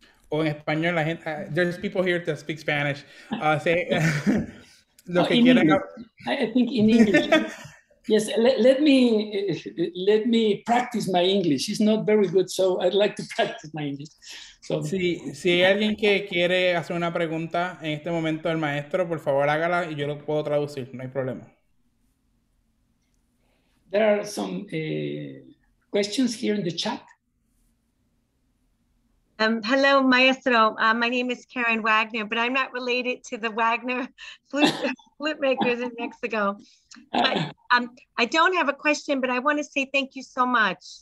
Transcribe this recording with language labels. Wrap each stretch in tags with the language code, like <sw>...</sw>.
<es>O en español, la gente,</es> <en>there's people here that speak Spanish.</en> <es>lo que quieren.</es> <en>English. I think in English. Yes, let me practice my English. It's not very good, so I'd like to practice my English. So,</en> <es>si hay alguien que quiere hacer una pregunta en este momento al maestro, por favor hágala y yo lo puedo traducir. No hay problema.</es> <en>There are some questions here in the chat. Hello, maestro. My name is Karen Wagner, but I'm not related to the Wagner flute makers in Mexico. But I don't have a question, but I want to say thank you so much.</en>